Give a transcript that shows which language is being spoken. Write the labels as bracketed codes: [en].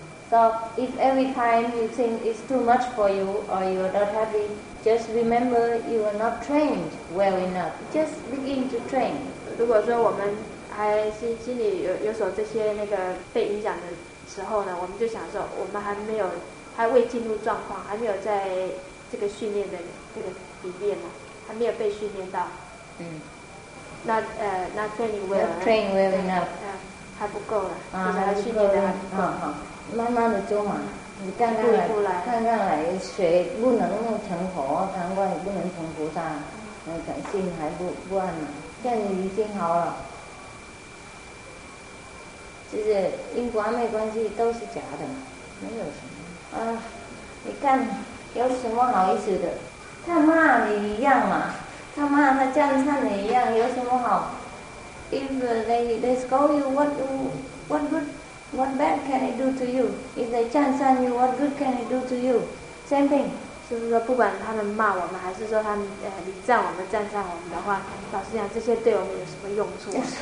[en] So if every time you think it's too much for you or you are not happy, just remember you are not trained well enough. Just begin to train. [zh] 如果说我们还心里有所这些那个被影响的时候呢，我们就想说我们还未进入状况，还没有在这个训练的这个里面呢，还没有被训练到。 [en] Not training well. Not training well enough. [zh] 还不够了，就是还训练的还不够。慢慢的做嘛，你看看来，看看来，水不能成河，难怪不能成菩萨，心还不安呢。现在已经好了，就是因果没关系，都是假的，没有什么。你看有什么好意思的？他骂你一样嘛，他骂他赞叹你一样，有什么好 ？ If they scold you, what good? [en] What bad can it do to you? If they chant on you, what good can it do to you? Same thing. [zh] 就是说，不管他们骂我们，还是说他们礼赞我们、赞赞我们的话，老实讲，这些对我们有什么用处？